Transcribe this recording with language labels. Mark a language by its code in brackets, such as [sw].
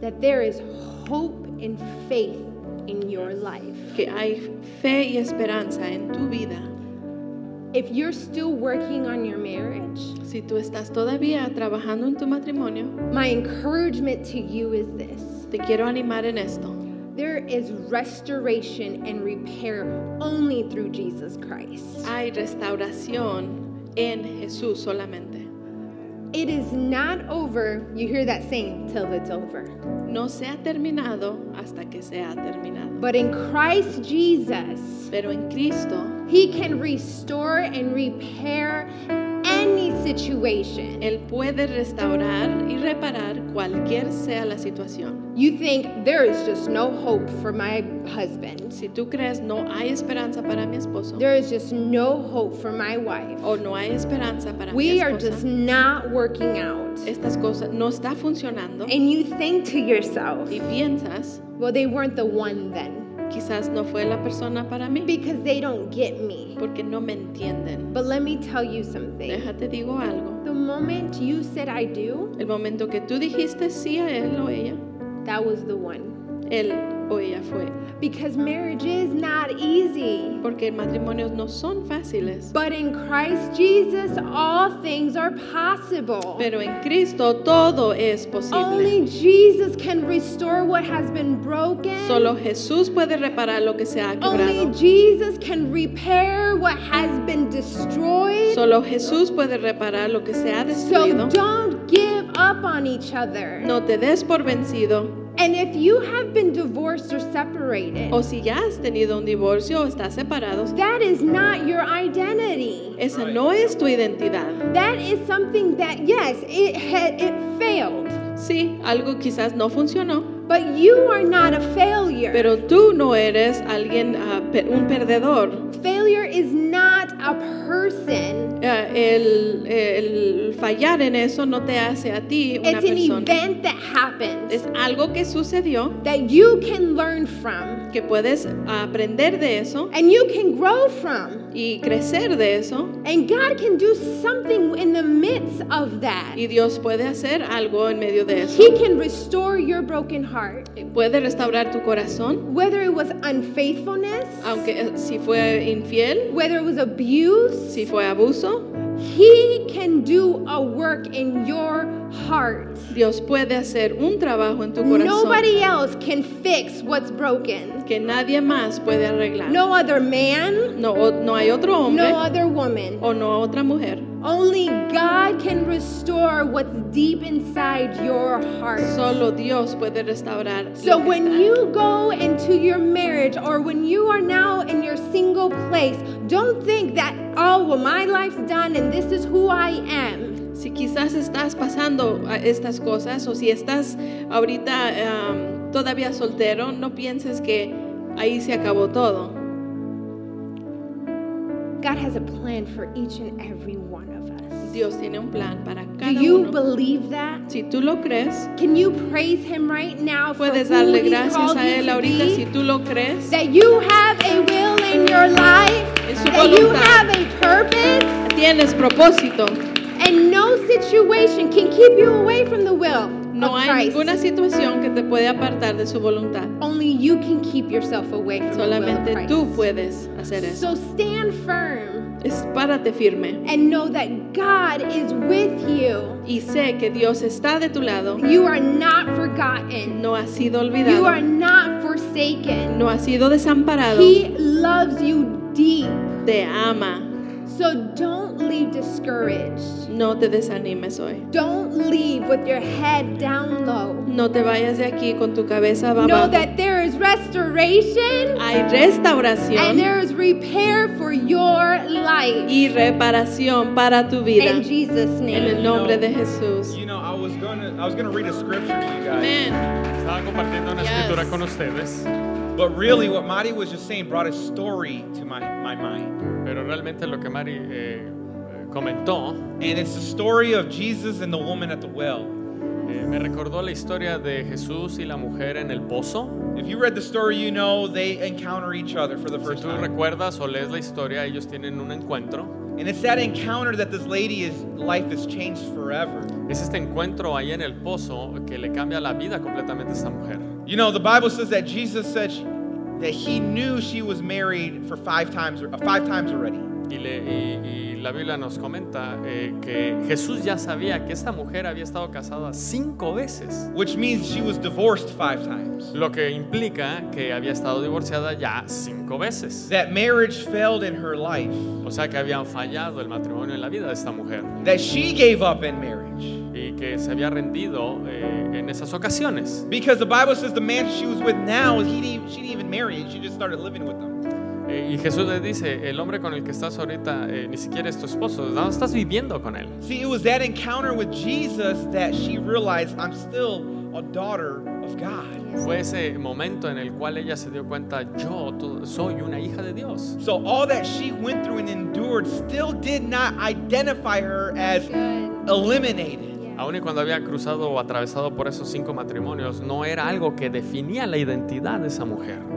[en] That there is hope and faith in your life. [es] Que hay fe y esperanza en tu vida. [en] If you're still working on your marriage, [es] si tú estás todavía trabajando en tu matrimonio, [en] my encouragement to you is this. [es] Te quiero animar en esto. [en] There is restoration and repair only through Jesus Christ. [es] Hay restauración en Jesús solamente. [en] It is not over. You hear that saying, till it's over. [es] No se ha terminado hasta que se ha terminado. [en] But in Christ Jesus, [es] pero en Cristo, [en] He can restore and repair any situation. [es] Él puede restaurar y reparar cualquier sea la situación. [en] You think there is just no hope for my husband. [es] Si tú crees no hay esperanza para mi esposo. [en] There is just no hope for my wife. [es] O no hay esperanza para [en] we [es] mi esposa. [en] We are just not working out. [es] Estas cosas no está funcionando. [en] And you think to yourself. [es] Y piensas. [en] Well, they weren't the one then. [es] Quizás no fue la persona para mí. [en] Because they don't get me. [es] Porque no me entienden. [en] But let me tell you something. [es] Déjate digo algo. [en] The moment you said I do. [es] El momento que tú dijiste sí a él o ella. [en] That was the one. [es] Él o ella fue. [en] Because marriage is not easy. [es] Porque matrimonios no son fáciles. [en] But in Christ Jesus, all things are possible. [es] Pero en Cristo todo es posible. [en] Only Jesus can restore what has been broken. [es] Solo Jesús puede reparar lo que se ha quebrado. [en] Only Jesus can repair what has been destroyed. [es] Solo Jesús puede reparar lo que se ha destruido. [en] So don't give up on each other. [es] No te des por vencido. [en] And if you have been divorced or separated, [es] o si ya has tenido un divorcio o estás separado, [en] that is not your identity. [es] Esa no es tu identidad. [en] That is something that, yes, it failed. [es] Sí, algo quizás no funcionó. [en] But you are not a failure. [es] Pero tú no eres alguien un perdedor. [en] Failure is not a person. [es] El fallar en eso no te hace a ti una [en] it's [es] persona. [en] It's an event that happened. [es] Es algo que sucedió. [en] That you can learn from. [es] Que puedes aprender de eso. [en] And you can grow from. [es] Y crecer de eso. [en] And God can do something in the midst of that. [es] Y Dios puede hacer algo en medio de eso. [en] He can restore your broken heart. [es] Puede restaurar tu corazón. [en] Whether it was unfaithfulness, [es] aunque si fue infiel. [en] Whether it was abuse, [es] si fue abuso. [en] He can do a work in your heart. [es] Dios puede hacer un trabajo en tu corazón. [en] Nobody else can fix what's broken. [es] Que nadie más puede arreglar. [en] No other man. [es] No hay otro hombre. [en] No other woman. [es] O no otra mujer. [en] Only God can restore what's deep inside your heart. [es] Solo Dios puede restaurar. [en] So when you go into your marriage or when you are now in your single place, don't think that, oh, well, my life's done and this is who I am. [es] Si quizás estás pasando estas cosas o si estás ahorita todavía soltero, no pienses que ahí se acabó todo. [en] God has a plan for each and every one of us. [es] Dios tiene un plan para cada uno. [en] Do you [es] uno. [en] Believe that? [es] Si tú lo crees. [en] Can you praise Him right now for who He's called you to be? [es] Puedes darle gracias a Él ahorita si tú lo crees. [en] That you have a will in your life. [es] Es su voluntad. [en] That you have a purpose. [es] Tienes propósito. [en] And no situation can keep you away from the will. [es] No hay ninguna situación que te puede apartar de su voluntad. [en] Only you can keep yourself away from [es] solamente [en] the will of Christ. [es] Tú puedes hacer eso. [en] So stand firm. [es] Es párate firme. [en] And know that God is with you. [es] Y sé que Dios está de tu lado. [en] You are not forgotten. [es] No has sido olvidado. [en] You are not forsaken. [es] No has sido desamparado. [en] He loves you deep. [es] Te ama. [en] So don't leave discouraged. [es] No te desanimes hoy. [en] Don't leave with your head down low. [es] No te vayas de aquí con tu cabeza abajo. [en] Know that there is restoration. [es] Hay restauración. [en] And there is repair for your life. [es] Y reparación para tu vida. [en] In Jesus' name. [es] En el nombre de Jesús. [en] You know, I was gonna read a scripture to you guys. Amen. Talk [es] compartiendo una escritura con ustedes. [en] But really, what Mari was just saying brought a story to my mind. [es] Pero realmente lo que Mari comentó. [en] And it's the story of Jesus and the woman at the well. [es] Me recordó la historia de Jesús y la mujer en el pozo. [en] If you read the story, you know they encounter each other for the first time. [es] Si tú recuerdas o lees la historia, ellos tienen un encuentro. [en] And it's that encounter that this lady's life has changed forever. [es] Es este encuentro ahí en el pozo que le cambia la vida completamente a esta mujer. [en] You know, the Bible says that Jesus said that he knew she was married for five times already. [es] Y la Biblia nos comenta que Jesús ya sabía que esta mujer había estado casada 5 veces. [en] Which means she was divorced 5 times. [es] Lo que implica que había estado divorciada ya 5 veces. [en] That marriage failed in her life. [es] O sea, que había fallado el matrimonio en la vida de esta mujer. [en] That she gave up in marriage. [es] Y que se había rendido en esas ocasiones. [en] Because the Bible says the man she was with now, she didn't even marry him, she just started living with him. [es] Y Jesús le dice, el hombre con el que estás ahorita ni siquiera es tu esposo, no estás viviendo con él. [en] See, it was that encounter with Jesus that she realized, I'm still a daughter of God. [es] Fue ese momento en el cual ella se dio cuenta, yo soy una hija de Dios. [en] So all that she went through and endured still did not identify her as eliminated. [es] Aún y cuando había cruzado o atravesado por esos 5 matrimonios, no era algo que definía la identidad de esa mujer.